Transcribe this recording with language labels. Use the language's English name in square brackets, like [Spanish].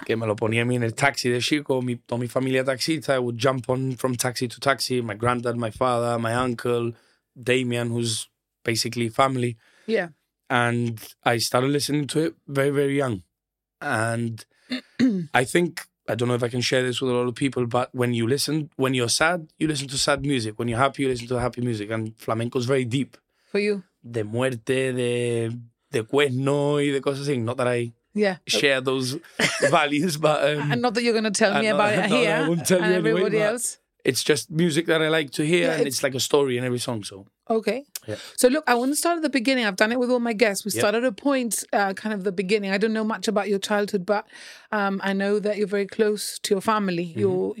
[Spanish] Que me lo ponía a mí en el taxi de chico, toda mi familia taxita. [English] I would jump on from taxi to taxi, my granddad, my father, my uncle, Damian, who's basically family. Yeah. And I started listening to it very, very young. And I think, I don't know if I can share this with a lot of people, but when you listen, when you're sad, you listen to sad music. When you're happy, you listen to happy music. And flamenco is very deep. For you? [Spanish] De muerte, de cuerno y de cosas así. [English] Not that I share those values, but... And not that you're going to tell me about it here. No, I won't tell you anyway. Everybody else. It's just music that I like to hear, and it's like a story in every song, so... Okay. Yeah. So look, I want to start at the beginning. I've done it with all my guests. We start at a point, kind of the beginning. I don't know much about your childhood, but I know that you're very close to your family. Mm-hmm.